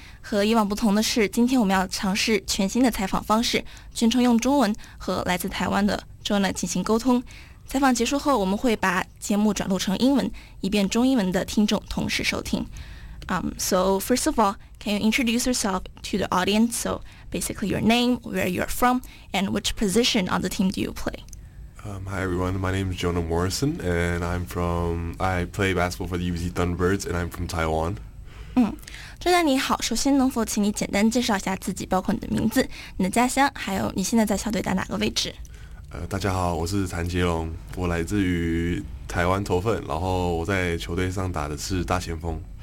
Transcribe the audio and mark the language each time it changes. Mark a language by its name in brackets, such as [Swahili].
[Chinese] 和以往不同的是， 今天我们要尝试全新的采访方式， 全程用中文和来自台湾的 Jonah 进行沟通。采访结束后， 我们会把节目转录成英文， 以便中英文的听众同时收听。 [English] So first of all, can you introduce yourself to the audience? So basically your name, where you're from, and which position on the team do you play? Hi everyone, my name is Jonah Morrison, and I play basketball for the UBC Thunderbirds, and I'm from Taiwan. [Chinese] Jonah你好，首先能否请你简单介绍一下自己，包括你的名字、你的家乡，还有你现在在校队打哪个位置？大家好，我是谭杰龙，我来自于台湾投份，然后我在球队上打的是大前锋。